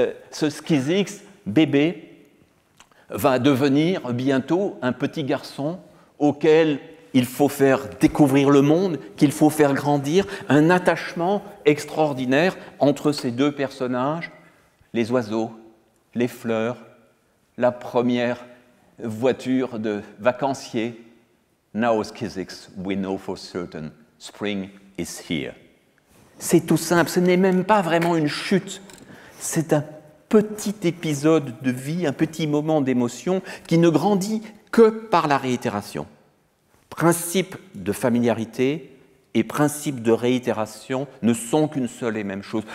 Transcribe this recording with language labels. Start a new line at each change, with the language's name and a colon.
French: Ce Skizix, bébé, va devenir bientôt un petit garçon auquel il faut faire découvrir le monde, qu'il faut faire grandir, un attachement extraordinaire entre ces deux personnages, les oiseaux, les fleurs, la première voiture de vacancier.
English: Now Skizix, we know for certain, spring is here.
French: C'est tout simple, ce n'est même pas vraiment une chute, c'est un petit épisode de vie, un petit moment d'émotion qui ne grandit que par la réitération. Principe de familiarité et principe de réitération ne sont qu'une seule et même chose.